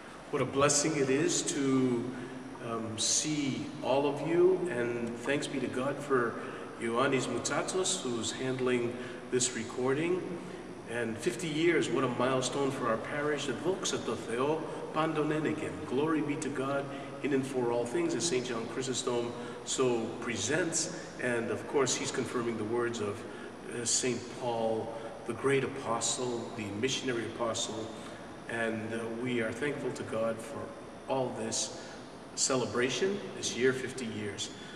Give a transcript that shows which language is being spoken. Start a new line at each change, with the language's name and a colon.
English: What a blessing it is to see all of you, and thanks be to God for Ioannis Moutsatsos, who's handling this recording. And 50 years, what a milestone for our parish.
Greek: Δόξα τω Θεώ, πάντων ενεκεν.
English: Glory be to God in and for all things, as St. John Chrysostom so presents. And of course, he's confirming the words of St. Paul, the great apostle, the missionary apostle. And we are thankful to God for all this celebration, this year, 50 years.